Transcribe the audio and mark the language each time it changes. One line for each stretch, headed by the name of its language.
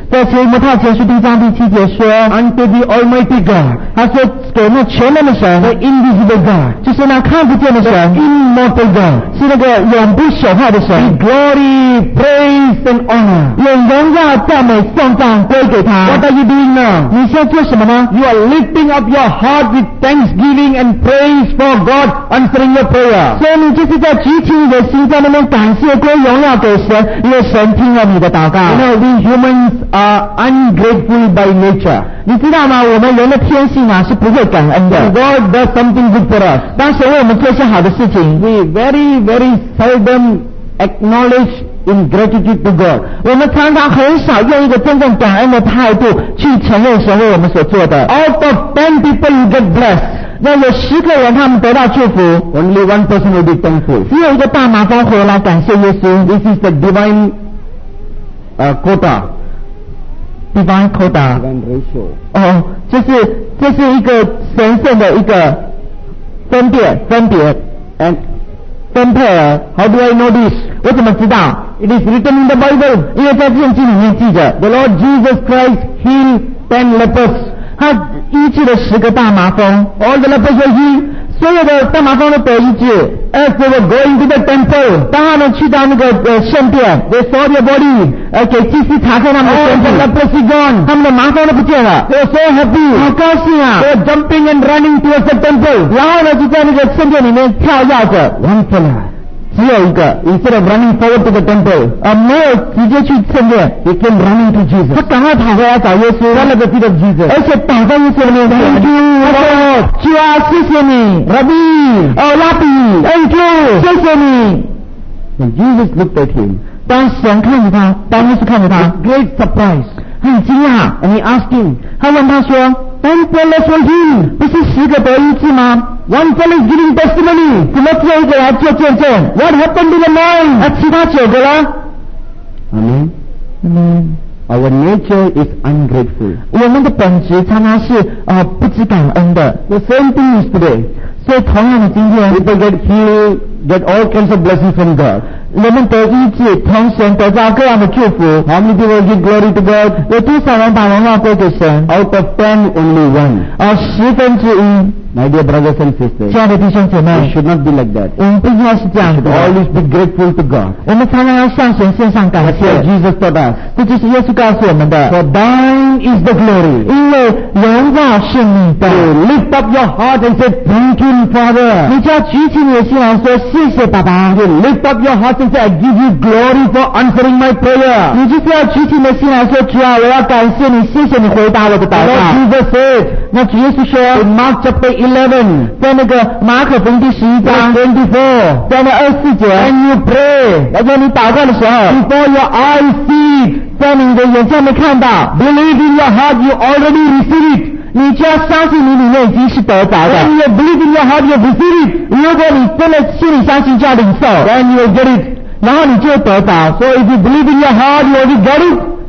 Chinese: 在提摩太前书第一章第七节说。
English: Unto the Almighty God.
Chinese: 他说给那全能的神。
English: The invisible God.
Chinese: 就是那看不见的神。
English: The immortal God.
Chinese: 是那个永不朽坏的神。
English: Be glory, praise and honor.
Chinese: 用荣耀、赞美、颂赞归给他。
English: What are you doing now?
Chinese: 你现在做什么呢？
English: You are lifting up your heart with thanksgiving and praise. For God answering your prayer.
Chinese: 所以你就是在举起你的心，在那边感谢归荣耀给神，因为神听了你的祷告。
English: You know, we humans are ungrateful by nature.
Chinese: 你知道吗？我们人的天性啊是不会感恩的。
English: When God does something good for us.
Chinese: 当神为我们做些好的事情。
English: We very very seldom acknowledge. In gratitude to God,
Chinese: 我们常常很少用一个真正感恩的态度去承认神为我们所做的。
English: Out of 10 people you get blessed,
Chinese: 那有十个人他们得到祝福。
English: Only one person will be thankful.
Chinese: 只有一个大麻风回来感谢耶稣。
English: This is the divine, quota. Divine quota. Divine ratio.
Chinese: 哦，这是一个神圣的一个分别。
English: And
Chinese: 分配额。
English: How do I know this?
Chinese: 我怎么知道？
English: It is written in the Bible.
Chinese: 因为在圣经里面记着。
English: The Lord Jesus Christ healed 10 lepers.
Chinese: 他医治了十个大麻风。
English: All the lepers were healed.
Chinese: 所有的大麻风都得医治。
English: As they were going to the temple,
Chinese: 当他们去到那个圣殿，
English: they saw their body.
Chinese: 给祭司查看他们的身体。
English: All the lepers were gone.
Chinese: 他们的麻风都不见了。
English: They were so happy.
Chinese: 好高兴啊。
English: They were jumping and running towards the temple.
Chinese: 然后呢，就在那个圣殿里面跳跃着。
English: One for all.
Chinese: 只有一个
English: instead of running forward to the temple
Chinese: 啊，没有直接去圣殿
English: he came running to Jesus
Chinese: 他赶快跑回来找耶稣
English: run at the feet of Jesus
Chinese: 而且打在耶稣的面前
English: thank you Lord
Chinese: 主啊谢谢你
English: Rabbi
Chinese: 哦 Rabbi
English: thank you
Chinese: 谢谢你
English: when Jesus looked at him
Chinese: 当神看着他当耶稣看着他
English: great surprise
Chinese: 他很惊讶
English: and he asked him
Chinese: 他问他说
English: ten fellows were healed
Chinese: 不是十个得医治吗
English: One fellow is giving testimony.
Chinese: 怎么只有一个来做见证
English: What happened to the nine?
Chinese: 那其他九个呢
English: Amen. Amen. Our nature is ungrateful.
Chinese: 我们的本质常常是不知感恩的
English: The same thing is today.
Chinese: 所以同样的今天
English: People get healed, get all kinds of blessings from God.
Chinese: 人们得医治，同神得到各样的祝福。
English: How many people give glory to God?
Chinese: 有多少人把荣耀归给神
English: Out of ten, only one.
Chinese: 十分之一。
English: My dear brothers and sisters, should not be like that. We should always be grateful to God. We should always be grateful to God. That's what Jesus taught us. This is Jesus taught us. For thine is the glory. Because you lift up your heart and say, Thank you, Father. You lift up your heart and say, I give you glory for answering my prayer. You just lift up your heart and say, Lord, I want to thank you. Thank you for answering my prayer. Lord Jesus said,
Chinese: 那主耶稣说
English: In Mark chapter 11
Chinese: 在那个马可福音第十一章
English: 24
Chinese: 在那二十四节
English: When you pray
Chinese: 在你祷告的时候
English: Before your eyes see
Chinese: 在你的眼睛没看到
English: Believe in your heart you already receive it
Chinese: 你就要相信你里面已经是得着的
English: When you believe in your heart you receive it
Chinese: 如果你真的心里相信就要领受
English: Then you will get it
Chinese: 然后你就得着
English: So if you believe in your heart you already get it